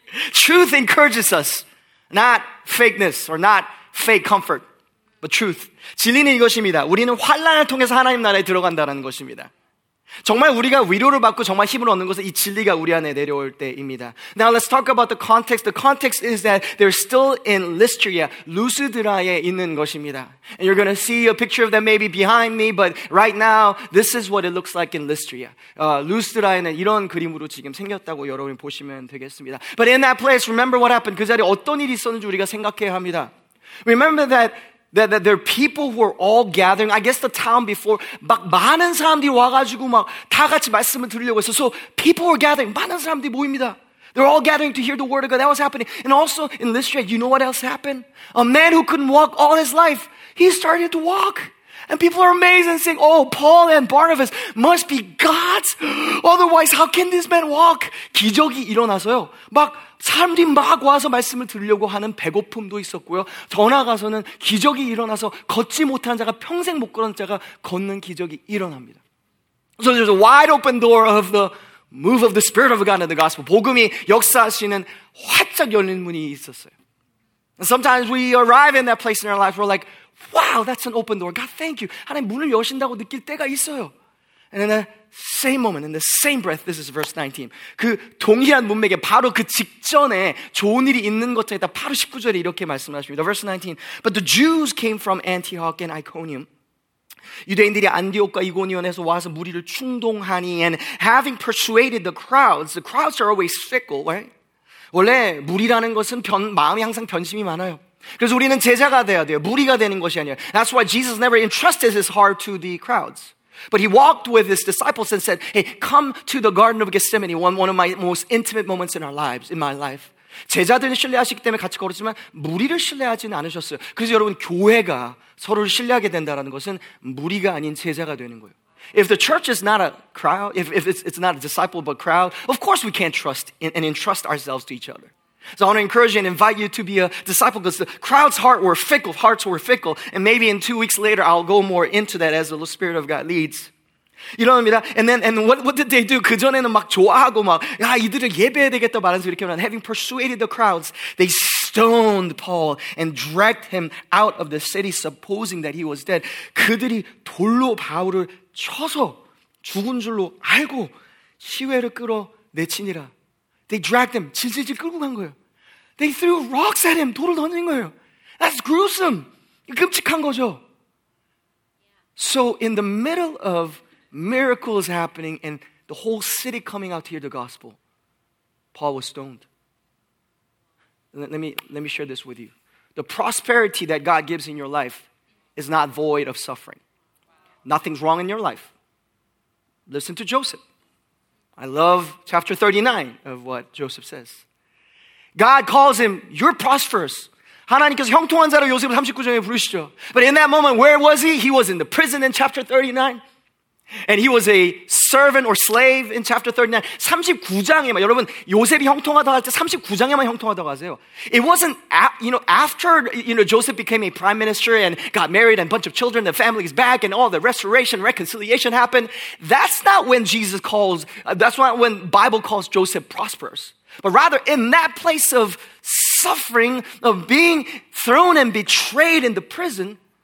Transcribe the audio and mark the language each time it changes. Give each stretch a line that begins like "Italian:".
English: Truth encourages us, not fakeness or not fake comfort, but truth.
Korean: 진리는 이것입니다. 우리는 환난을 통해서 하나님 나라에 들어간다는 것입니다. 정말 우리가 위로를 받고 정말 힘을 얻는 것은 이 진리가 우리 안에 내려올 때입니다.
English: Now let's talk about the context. The context is that they're still in Lystra,
Korean: Lusitania에 있는 것입니다.
English: And you're going to see a picture of them maybe behind me, but right now this is what it looks like in Lystra.
Korean: Lusitania는 이런 그림으로 지금 생겼다고 여러분 보시면 되겠습니다.
English: But in that place, remember what happened.
Korean: 그 자리에 어떤 일이 있었는지 우리가 생각해야 합니다.
English: Remember that that there are people who are all gathering. I guess the town before,
Korean: 막 많은 사람들이 와가지고 막 다 같이 말씀을 드리려고 했어.
English: So people were gathering.
Korean: 많은 사람들이 모입니다.
English: They're all gathering to hear the word of God. That was happening. And also in Lystra, you know what else happened? A man who couldn't walk all his life, he started to walk. And people are amazed and saying, oh, Paul and Barnabas must be gods. Otherwise, how can this man walk?
Korean: 기적이 일어나서요. 막 사람들이 막 와서 말씀을 들으려고 하는 배고픔도 있었고요. 더 나아가서는 기적이 일어나서 걷지 못한 자가 평생 못 걸은 자가 걷는 기적이 일어납니다.
English: So there's a wide open door of the move of the Spirit of God and the gospel.
Korean: 복음이 역사하시는 활짝 열린 문이 있었어요.
English: And sometimes we arrive in that place in our life, we're like, wow, that's an open door. God, thank you.
Korean: 하나님 문을 여신다고 느낄 때가 있어요.
English: And in the same moment, in the same breath, this is verse 19.
Korean: 그 동일한 문맥에 바로 그 직전에 좋은 일이 있는 것에 다 바로 19절에 이렇게 말씀하십니다.
English: Verse 19. But the Jews came from Antioch and Iconium.
Korean: 유대인들이 안디옥과 이고니온에서 와서 무리를 충동하니
English: and having persuaded the crowds are always fickle, right?
Korean: 원래 무리라는 것은 마음이 항상 변심이 많아요. 그래서 우리는 제자가 돼야 돼요. 무리가 되는 것이 아니에요.
English: That's why Jesus never entrusted his heart to the crowds. But he walked with his disciples and said, hey, come to the Garden of Gethsemane, one of my most intimate moments in our lives, in my life.
Korean: 제자들은 신뢰하시기 때문에 같이 걸었지만 무리를 신뢰하지는 않으셨어요. 그래서 여러분, 교회가 서로를 신뢰하게 된다는 것은 무리가 아닌 제자가 되는 거예요.
English: If the church is not a crowd, if it's not a disciple but crowd, of course we can't trust and entrust ourselves to each other. So I want to encourage you and invite you to be a disciple because the crowd's heart were fickle, hearts were fickle. And maybe in 2 weeks later, I'll go more into that as the Spirit of God leads. You know what I mean? And what did they do?
Korean: 그 전에는 막 좋아하고 막, 야, 이들을 예배해야 되겠다 말하면서 이렇게 말하는,
English: having persuaded the crowds, they stoned Paul and dragged him out of the city, supposing that he was dead.
Korean: 그들이 돌로 바울을 쳐서 죽은 줄로 알고 시외를 끌어 내치니라.
English: They dragged him,
Korean: 질질질 끌고 간 거예요.
English: They threw rocks at him,
Korean: 돌을 던진 거예요.
English: That's gruesome,
Korean: 끔찍한 거죠.
English: So in the middle of miracles happening and the whole city coming out to hear the gospel, Paul was stoned. Let me share this with you. The prosperity that God gives in your life is not void of suffering. Nothing's wrong in your life. Listen to Joseph. I love chapter 39 of what Joseph says. God calls him, you're prosperous.
Korean: 하나님께서 형통한 자로 요셉을 39장에 부르시죠.
English: But in that moment, where was he? He was in the prison in chapter 39. And he was a servant or slave in chapter 39.
Korean: 39장에만, 여러분, 요셉이 형통하다고 할 때 39장에만 형통하다고 하세요.
English: It wasn't, after, Joseph became a prime minister and got married and a bunch of children, the family's back and all the restoration, reconciliation happened. That's not when Jesus calls, that's not when Bible calls Joseph prosperous. But rather in that place of suffering, of being thrown and betrayed in the prison,